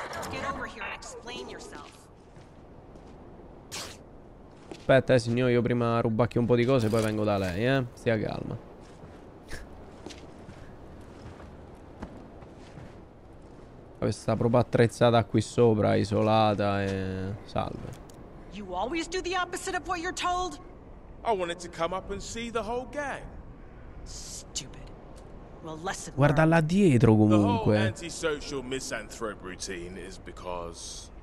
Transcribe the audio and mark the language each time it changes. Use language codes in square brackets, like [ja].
[en] Get over here and explain yourself. [it] Aspetta, signore, io prima rubacchio un po' di cose e poi vengo da lei, Stia calma. Questa proprio attrezzata qui sopra, isolata e... Salve. [en] You always do the opposite of what you're told. I wanted to come up and see the whole gang. Stupid. Well, lesson. [it] Guarda là dietro comunque. [en] The whole antisocial misanthrope routine is because...